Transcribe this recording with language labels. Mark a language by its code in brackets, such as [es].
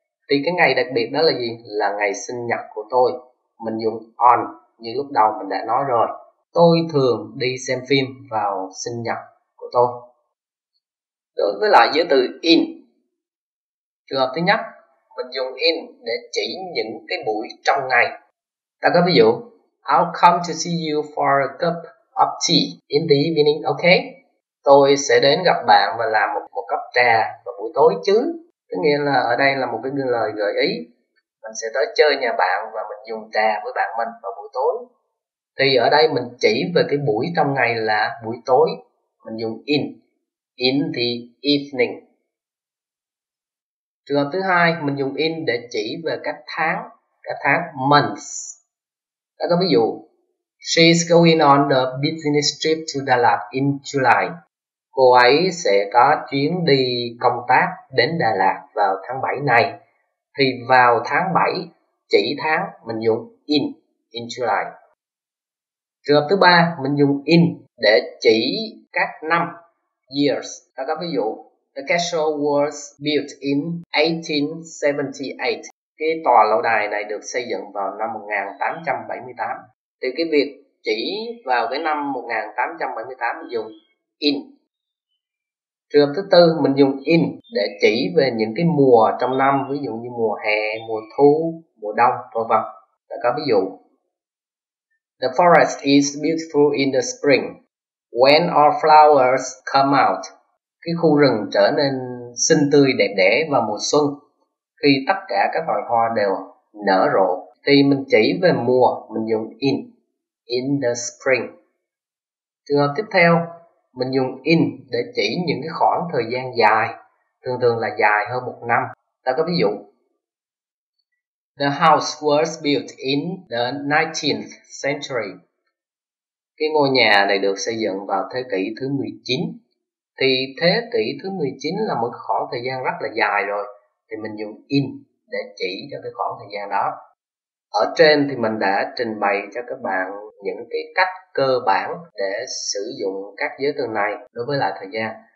[vi] Thì cái ngày đặc biệt đó là gì? Là ngày sinh nhật của tôi. Mình dùng on như lúc đầu mình đã nói rồi. Tôi thường đi xem phim vào sinh nhật của tôi. Đối với lại giới từ in. Trường hợp thứ nhất, mình dùng in để chỉ những cái buổi trong ngày. Ta có ví dụ, [en] I'll come to see you for a cup of tea in the evening, okay? [vi] Tôi sẽ đến gặp bạn và làm một cốc trà vào buổi tối chứ. Tức nghĩa là ở đây là một cái lời gợi ý. Mình sẽ tới chơi nhà bạn và mình dùng trà với bạn mình vào buổi tối. Thì ở đây mình chỉ về cái buổi trong ngày là buổi tối. Mình dùng in. [en] In the evening. [vi] Trường hợp thứ hai, mình dùng in để chỉ về các tháng. Các tháng, months. Ta có ví dụ, [en] she's going on a business trip to Dallas in July. [vi] Cô ấy sẽ có chuyến đi công tác đến Đà Lạt vào tháng 7 này. Thì vào tháng 7 chỉ tháng mình dùng [en] in July. [vi] Trường hợp thứ ba, mình dùng in để chỉ các năm, years. Ta có ví dụ, [en] the castle was built in 1878. [vi] Cái tòa lâu đài này được xây dựng vào năm 1878. Thì cái việc chỉ vào cái năm 1878 mình dùng in. Trường hợp thứ tư, mình dùng in để chỉ về những cái mùa trong năm, ví dụ như mùa hè, mùa thu, mùa đông, v.v. Ta có ví dụ, [en] the forest is beautiful in the spring when all flowers come out. [vi] Cái khu rừng trở nên xinh tươi đẹp đẽ vào mùa xuân khi tất cả các loài hoa đều nở rộ. Thì mình chỉ về mùa, mình dùng [en] in the spring. [vi] Trường hợp tiếp theo, mình dùng in để chỉ những cái khoảng thời gian dài, thường thường là dài hơn một năm. Ta có ví dụ, [en] the house was built in the 19th century. [vi] Cái ngôi nhà này được xây dựng vào thế kỷ thứ 19. Thì thế kỷ thứ 19 là một khoảng thời gian rất là dài rồi. Thì mình dùng in để chỉ cho cái khoảng thời gian đó. Ở trên thì mình đã trình bày cho các bạn những cái cách cơ bản để sử dụng các giới từ này đối với lại thời gian.